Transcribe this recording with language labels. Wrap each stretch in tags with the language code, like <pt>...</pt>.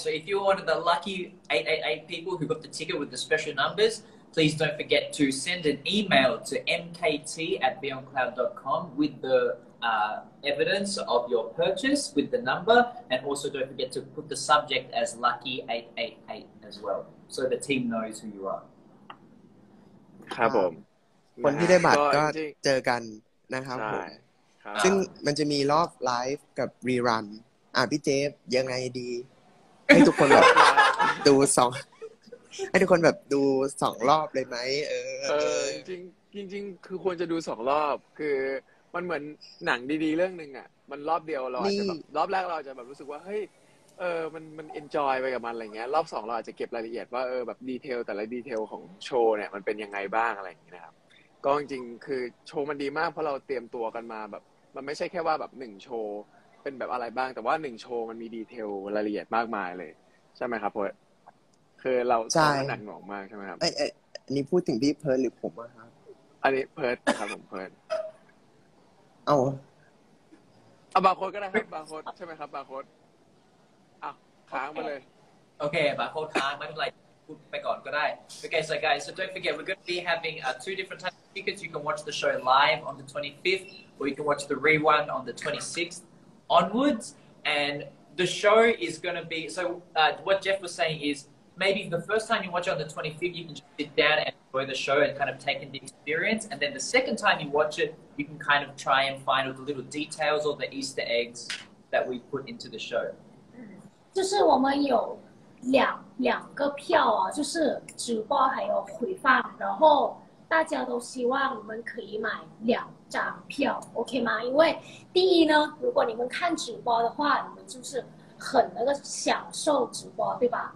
<en>So if you're one of the lucky 888 people who got the ticket with the special numbers, please don't forget to send an email to mkt@beyondcloud.com with the evidence of your purchase with the number, and also don't forget to put the subject as lucky 888 as well, so the team knows who you are.</en> <th>ครับผม คนที่ได้บัตรก็เจอกันนะครับผมซึ่งมันจะมีรอบไลฟ์กับรีรันพี่เจฟยังไงดีให้ทุกคนแบบดูสองให้ทุกคนแบบดูสองรอบเลยไหม จริงคือควรจะดูสองรอบคือมันเหมือนหนังดีๆเรื่องนึงอ่ะมันรอบเดียวเราอาจจะแบบรอบแรกเราจะแบบรู้สึกว่าเฮ้ยมันเอนจอยไปกับมันอะไรเงี้ยรอบสองเราอาจจะเก็บรายละเอียดว่าแบบดีเทลแต่ละดีเทลของโชว์เนี่ยมันเป็นยังไงบ้างอะไรอย่างเงี้ยนะครับก็จริงคือโชว์มันดีมากเพราะเราเตรียมตัวกันมาแบบมันไม่ใช่แค่ว่าแบบหนึ่งโชว์เป็นแบบอะไรบ้างแต่ว่า1โชว์มันมีดีเทลรายละเอียดมากมายเลยใช่มั้ยครับเพราะคือเรา ทํา หนัก หน่วงมากใช่มั้ยครับ เอ้ยอันนี้พูดถึงพี่เพิร์ทหรือผมอ่ะครับ อันนี้เพิร์ทครับผมเพิร์ท เอ้า เอาบาร์โค้ดก็ได้ครับบาร์โค้ดใช่มั้ยครับบาร์โค้ดอ่ะค้างมาเลย โอเคบาร์โค้ดค้างไม่เป็นไรพูดไปก่อนก็ได้โอเค</th> <en>so guys so don't forget we're going to be having two different types of tickets you can watch the show live on the 25th or you can watch the rerun on the 26thOnwards, and the show is going to be, so what Jeff was saying is, maybe the first time you watch it on the 25th, you can just sit down and enjoy the show and kind of take in the experience, and then the second time you watch it, you can kind of try and find all the little details or the Easter eggs that we put into the show.</en> <zh>就是我们有两个票啊，就是直播还有回放，然后大家都希望我们可以买两张票 ，OK 吗？因为第一呢，如果你们看直播的话，你们就是很那个享受直播，对吧？</zh>